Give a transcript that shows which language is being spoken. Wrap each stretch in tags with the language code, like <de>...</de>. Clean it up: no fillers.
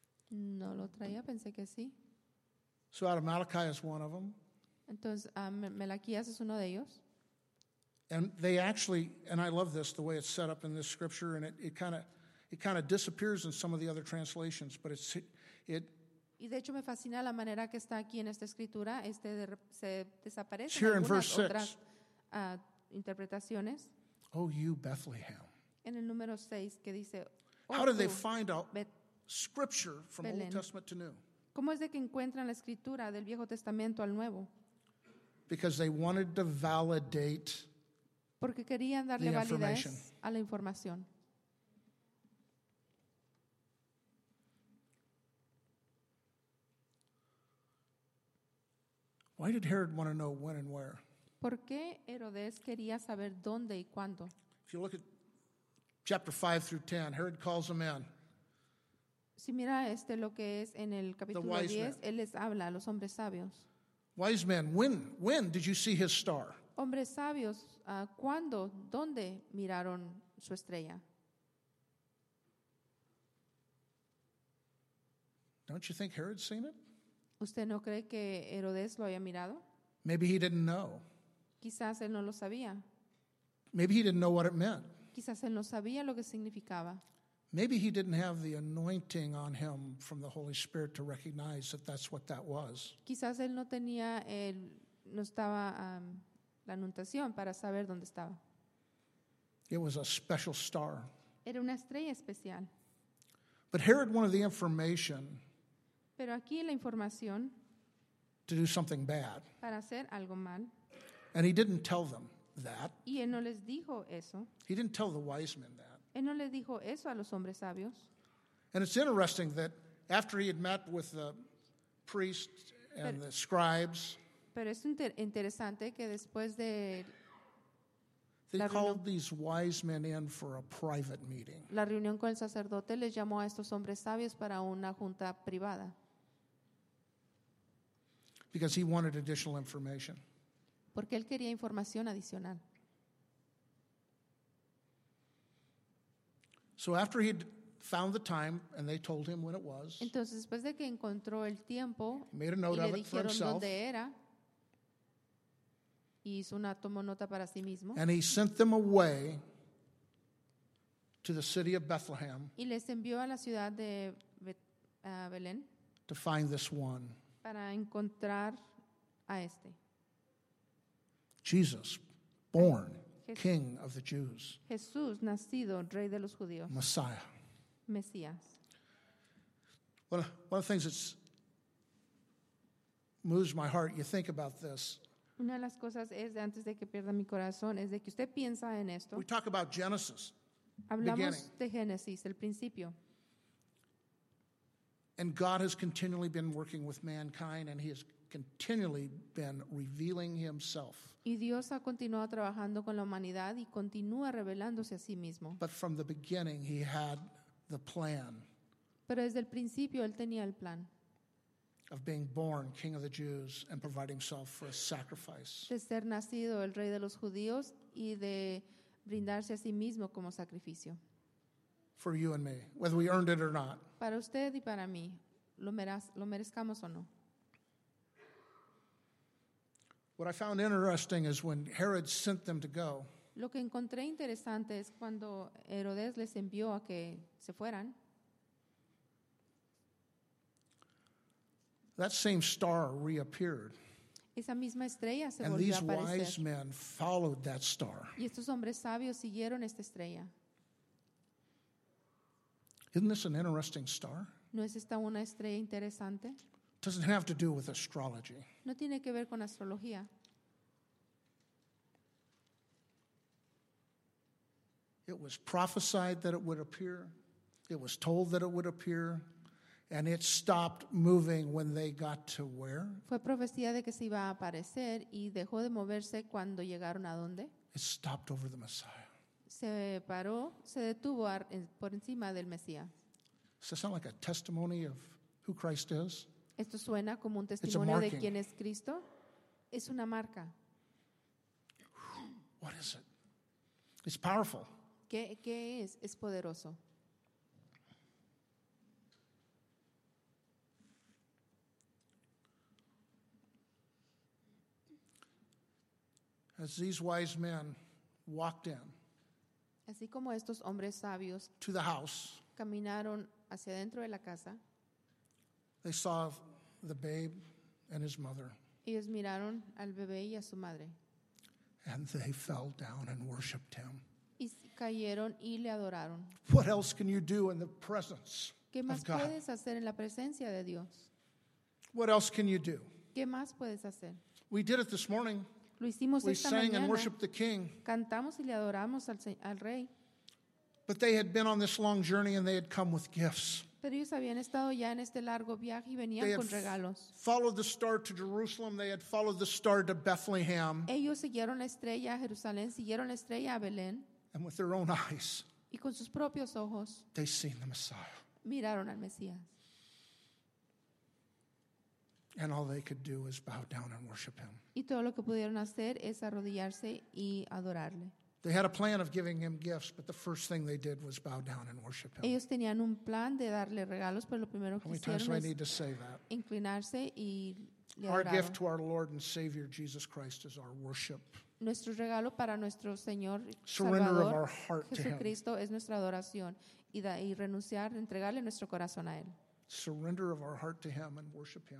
<es>No lo traía, pensé que sí.</es> <en>So out of Malachi is one of them.</en> <es>Entonces, Malaquías es uno de ellos.</es> <en>And they actually, and I love this, the way it's set up in this scripture, and it kind of disappears in some of the other translations, but it's.</en> <es>Y de hecho me fascina la manera que está aquí en esta escritura, se desaparece</es> <en>here</en> <es>en algunas</es> <en>in verse</en> <es>otras</es> <en>six.</en> <es>Interpretaciones.</es> <en>Oh, you Bethlehem.</en> <es>En el número 6 que dice.</es> <en>How did they find out scripture from Belén. Old Testament to New?</en> <es>¿Cómo es de que encuentran la escritura del Viejo Testamento al Nuevo?</es> <en>Because they wanted to validate</en> <es>Porque querían darle validez</es> <en>information.</en> <es>A la información.</es> <en>Why did Herod want to know when and where?</en> <es>¿Por qué Herodes quería saber dónde y cuándo?</es> <en>If you look at Chapter 5 through 10, Herod calls them in.</en> <es>Si mira este lo que es en el capítulo 10, él les habla a los hombres sabios.</es> <en>Wise men, when did you see his star?</en> <es>Hombres sabios, ¿cuándo, dónde miraron su estrella?</es> <en>Don't you think Herod's seen it?</en> <es>¿Usted no cree que Herodes lo haya mirado?</es> <en>Maybe he didn't know.</en> <es>Quizás él no lo sabía.</es> <en>Maybe he didn't know what it meant.</en> <es>Quizás él no sabía lo que significaba.</es> <en>Maybe he didn't have the anointing on him from the Holy Spirit to recognize that that's what that was.</en> <es>Quizás él no tenía el, no estaba la anuntación para saber dónde estaba.</es> <en>It was a special star.</en> <es>Era una estrella especial.</es> <en>But Herod wanted the information.</en> <es>Pero aquí la información.</es> <en>To do something bad.</en> <es>Para hacer algo mal.</es> <en>And he didn't tell them. That.</en> <es>Y él no les dijo eso.</es> <en>He didn't tell the wise men that.</en> <es>Él no les dijo eso a los hombres sabios.</es> <en>And it's interesting that after he had met with the priests and the scribes,</en> <es>pero es interesante que después de</es> <en>they called these wise men in for a private meeting.</en> <es>La reunión con el sacerdote les llamó a estos hombres sabios para una junta privada.</es> <en>Because he wanted additional information.</en> <es>Porque él quería información adicional.</es> <en>So after he'd found the time, and they told him when it was,</en> <es>entonces, después de que encontró el tiempo,</es> <en>he made a note of it for himself.</en> <es>Dónde era, hizo una, tomó nota para sí mismo,</es> <en>and he sent them away to the city of Bethlehem,</en> <es>y les envió a la ciudad de Belén,</es> <en>to find this one.</en> <es>Para encontrar a este.</es> <en>Jesus, born King of the Jews.</en> <es>Jesús, nacido rey de los judíos.</es> <en>Messiah.</en> <es>Mesías.</es> <en>One of the things that moves my heart, you think about this.</en> <es>Una de las cosas es, antes de que pierda mi corazón, es de que usted piensa en esto.</es> <en>We talk about Genesis.</en> <es>Hablamos de Génesis, el principio.</es> <en>And God has continually been working with mankind, and he has continually been revealing himself.</en> <es>Y Dios ha continuado trabajando con la humanidad y continúa revelándose a sí mismo.</es> <en>But from the beginning, he had the plan.</en> <es>Pero desde el principio, él tenía el plan.</es> <en>Of being born King of the Jews and providing himself for a sacrifice.</en> <es>De ser nacido el rey de los judíos y de brindarse a sí mismo como sacrificio.</es> <en>For you and me, whether we earned it or not.</en> <es>Para usted y para mí, lo merezcamos o no.</es> <en>What I found interesting is when Herod sent them to go.</en> <es>Lo que encontré interesante es cuando Herodes les envió a que se fueran.</es> <en>That same star reappeared.</en> <es>Esa misma estrella se volvió a aparecer.</es> <en>And these wise men followed that star.</en> <es>Y estos hombres sabios siguieron esta estrella.</es> <en>Isn't this an interesting star?</en> <es>¿No es esta una estrella interesante?</es> <en>It doesn't have to do with astrology.</en> <es>No tiene que ver con astrología.</es> <en>It was prophesied that it would appear. It was told that it would appear. And it stopped moving when they got to where?</en> <es>Fue profecía de que se iba a aparecer y dejó de moverse cuando llegaron a dónde.</es> <en>It stopped over the Messiah.</en> <es>Se paró, se detuvo por encima del Mesías.</es> <en>Does that sound like a testimony of who Christ is?</en> <es>Esto suena como un testimonio de quién es Cristo. Es una marca.</es> <en>What is it? It's powerful.</en> <es>¿Qué es? Es poderoso.</es> <en>As these wise men walked in,</en> <es>así como estos hombres sabios</es> <en>to the house,</en> <es>caminaron hacia dentro de la casa,</es> <en>they saw the babe and his mother.</en> <es>Ellos miraron al bebé y a su madre.</es> <en>And they fell down and worshiped him.</en> <es>Y cayeron y le adoraron.</es> <en>What else can you do in the presence of God?</en> <es>¿Qué más puedes hacer en la presencia de Dios?</es> <en>What else can you do?</en> <es>¿Qué más puedes hacer?</es> <en>We did it this morning.</en> <es>Lo hicimos</es> <en>we</en> <es>esta</es> <en>sang</en> <es>mañana.</es> <en>And worshiped the king.</en> <es>Cantamos y le adoramos al rey.</es> <en>But they had been on this long journey and they had come with gifts.</en> <es>Pero ellos habían estado ya en este largo viaje y venían</es> <en>they</en> <es>con regalos.</es> <en>Followed the star to Jerusalem. They had followed the star to Bethlehem.</en> <es>Ellos siguieron la estrella a Jerusalén, siguieron la estrella a Belén.</es> <en>And with their own eyes.</en> <es>Y con sus propios ojos.</es> <en>They seen the Messiah.</en> <es>Miraron al Mesías.</es> <en>And all they could do is bow down and worship him.</en> <es>Y todo lo que pudieron hacer es arrodillarse y adorarle.</es> <en>They had a plan of giving him gifts, but the first thing they did was bow down and worship him.</en> <es>Ellos tenían un plan de darle regalos, pero lo primero que hicieron es.</es> <en>How many times do I need to say that?</en> <es>Inclinarse y le adoraron.</es> <en>Our gift to our Lord and Savior Jesus Christ is our worship.</en> <es>Nuestro regalo para nuestro Señor</es> <en>surrender of our heart to him.</en> <es>Jesucristo es nuestra adoración y renunciar, entregarle nuestro corazón a él.</es> <en>Surrender of our heart to him and worship him.</en>